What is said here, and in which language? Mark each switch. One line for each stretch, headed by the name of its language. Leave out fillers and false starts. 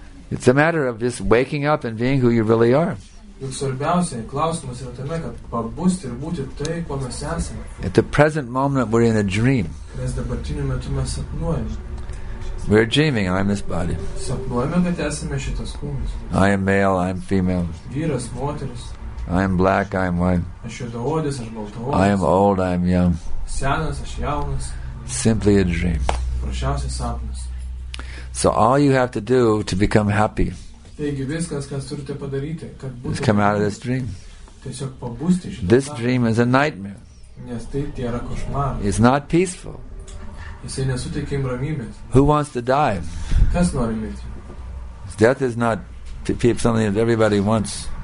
English: It's a matter of just waking up and being who you really are.
Lithuanian: Juk svarbiausiai klausimas yra tame, kad pabusti ir būti tai, kuo mes esame.
English: At the present moment we're in a dream.
Lithuanian: Mes dabartiniu metu mes sapnuojame.
English: We're dreaming, I'm this body.
Lithuanian: Sapnuojame, kad esame šitas kūnas.
English: I am male, I am female.
Lithuanian: Vyras, moteris.
English: I am black, I am white.
Lithuanian: Aš juodaodis, aš baltaodis.
English: I am old, I am young.
Lithuanian: Senas, aš jaunas.
English: Simply a dream.
Lithuanian: Paprasčiausias sapnas.
English: So all you have to do to become happy,
Lithuanian: taigi viskas, kas turite padaryti, kad būtų,
English: just come out of this dream.
Lithuanian: Tiesiog pabūsti šitą.
English: This dream is a nightmare.
Lithuanian: Nes tai tėra košmaras.
English: It's not peaceful.
Lithuanian: Jisai nesuteikia jums ramybės.
English: Who wants to die?
Lithuanian: Kas nori mirti?
English: Death is not something that everybody wants.